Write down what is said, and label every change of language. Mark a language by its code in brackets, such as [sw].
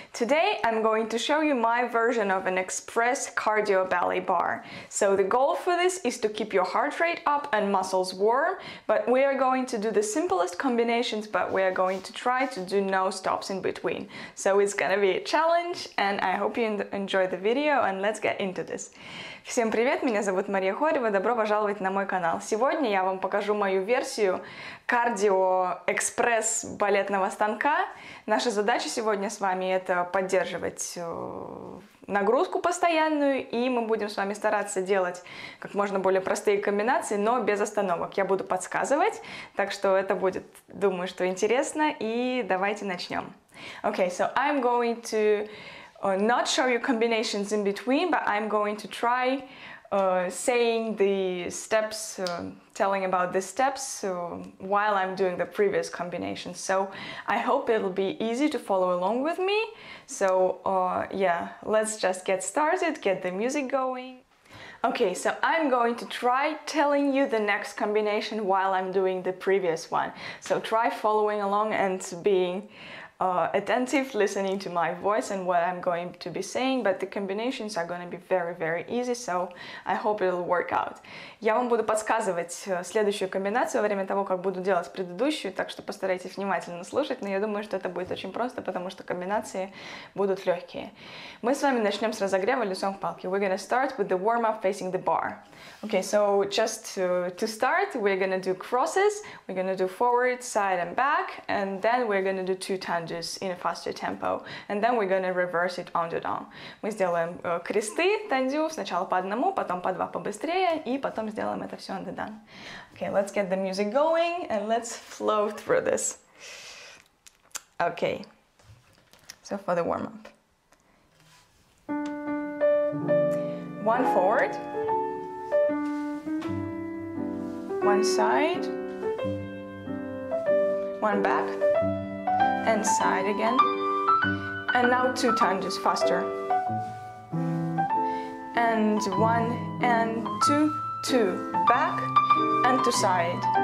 [en] Today I'm going to show you my version of an express cardio ballet barre. So the goal for this is to keep your heart rate up and muscles warm, but we are going to do the simplest combinations, but we are going to try to do no stops in between. So it's gonna be a challenge and I hope you enjoy the video and let's get into this. [ru] Всем привет, меня зовут Мария Хорева, добро пожаловать на мой канал. Сегодня я вам покажу мою версию кардио-экспресс-балетного станка. Наша задача сегодня с вами – это поддерживать нагрузку постоянную, и мы будем с вами стараться делать как можно более простые комбинации, но без остановок. Я буду подсказывать, так что это будет, думаю, что интересно, и давайте начнем. [en] Okay, so I'm going to... not show you combinations in between, but I'm going to try saying the steps, telling about the steps while I'm doing the previous combination. So I hope it'll be easy to follow along with me. So yeah, let's just get started, get the music going. Okay, so I'm going to try telling you the next combination while I'm doing the previous one. So try following along and being attentive, listening to my voice and what I'm going to be saying, but the combinations are going to be very, very easy, so I hope it'll work out. [ru] Я вам буду подсказывать следующую комбинацию во время того, как буду делать предыдущую, так что постарайтесь внимательно слушать, но я думаю, что это будет очень просто, потому что комбинации будут легкие. Мы с вами начнем с разогрева лицом к палке. [en] We're going to start with the warm-up facing the bar. Okay, so just to start, we're going to do crosses, we're going to do forward, side and back, and then we're going to do two times in a faster tempo, and then we're going to reverse it on the down. [ru] Мы сделаем кресты, танцю, сначала по одному, потом по два побыстрее, и потом сделаем это все [en] on the down. Okay, let's get the music going and let's flow through this. Okay, so for the warm up. One forward, one side, one back, and side again, and now two tanges faster, and one and two, two back and to side.